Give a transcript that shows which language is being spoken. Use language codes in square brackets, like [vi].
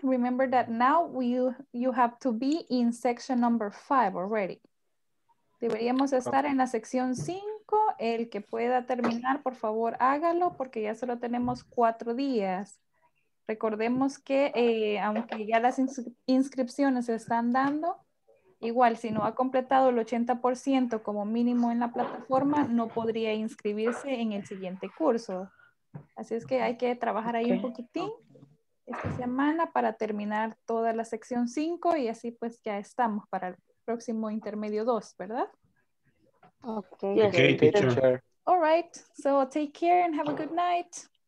[en] Remember that now you have to be in section number 5 already. [es] Deberíamos estar en la sección 5. El que pueda terminar, por favor, hágalo porque ya solo tenemos 4 días. Recordemos que aunque ya las inscripciones se están dando, Igual, si no ha completado el 80% como mínimo en la plataforma, no podría inscribirse en el siguiente curso. Así es que hay que trabajar ahí un poquitín esta semana para terminar toda la sección 5 y así pues ya estamos para el próximo intermedio 2, ¿verdad? [en] Okay. Okay, teacher. All right. So take care and have a good night.